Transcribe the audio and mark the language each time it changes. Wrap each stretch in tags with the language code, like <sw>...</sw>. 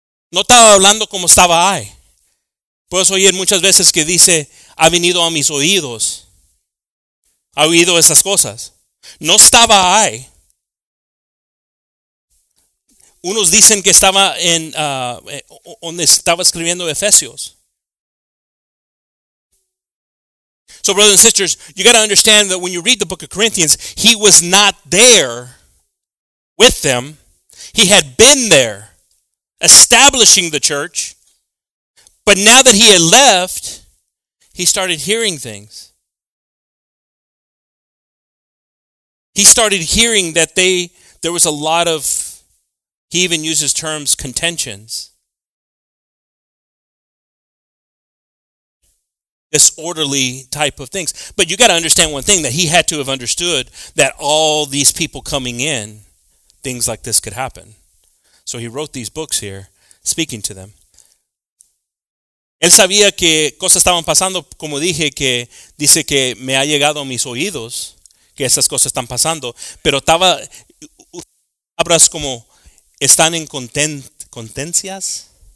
<es>No estaba hablando como estaba ahí. Puedes oír muchas veces que dice, ha venido a mis oídos. Ha oído esas cosas. No estaba ahí. Unos dicen que estaba en donde estaba escribiendo Efesios.</es> <en>So, brothers and sisters, you got to understand that when you read the book of Corinthians, he was not there with them. He had been there establishing the church. But now that he had left, he started hearing things. He started hearing that there was a lot of, he even uses terms, contentions. Disorderly type of things. But you got to understand one thing, that he had to have understood that all these people coming in, things like this could happen. So he wrote these books here, speaking to them.</en> <es>Él sabía que cosas estaban pasando, como dije, que dice que me ha llegado a mis oídos, que esas cosas están pasando, pero estaba, palabras como, están en contencias.</es>